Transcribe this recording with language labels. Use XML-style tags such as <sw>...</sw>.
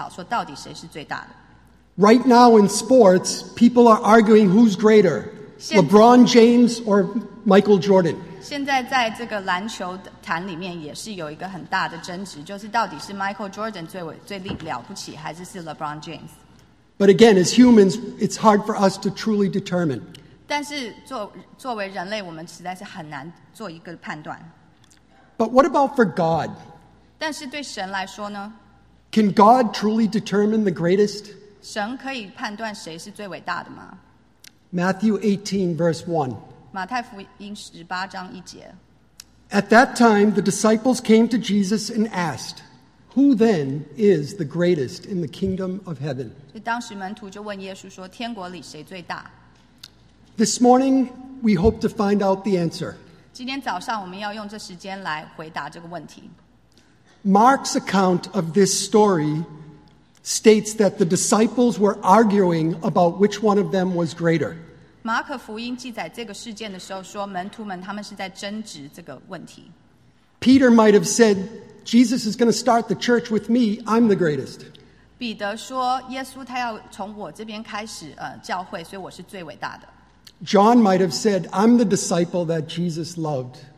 <zh>但我们很喜欢跟大家来一起讨论，来争吵，说到底谁是最大的。</zh> <en>Right now in sports, people are arguing who's greater, LeBron James or Michael Jordan.</en> <zh>现在在这个篮球坛里面也是有一个很大的争执，就是到底是 Michael Jordan 最了不起，还是 LeBron James?</zh> <en>But again, as humans, it's hard for us to truly determine.</en> <zh>但是作为人类，我们实在是很难做一个判断。</zh> <en>But what about for God?</en> <zh>但是对神来说呢?</zh> <en>Can God truly determine the greatest?</en> <zh>神可以判断谁是最伟大的吗?</zh> <en>Matthew 18, verse 1.</en> <zh>马太福音18章1节。</zh> <en>At that time, the disciples came to Jesus and asked, "Who then is the greatest in the kingdom of heaven?"</en> <zh>当时门徒就问耶稣说，天国里谁最大?</zh> <en>This morning, we hope to find out the answer.</en> <zh>今天早上我们要用这时间来回答这个问题。</zh> <en>Mark's account of this story states that the disciples were arguing about which one of them was greater.</en> <zh>马可福音记载这个事件的时候说，门徒们他们是在争执这个问题。Peter</zh> <en>might have said, "Jesus is going to start the church with me. I'm the greatest."</en> <zh>彼得说，耶稣他要从我这边开始教会，所以我是最伟大的。John</zh> <en>might have said, "I'm the disciple that Jesus loved."</en>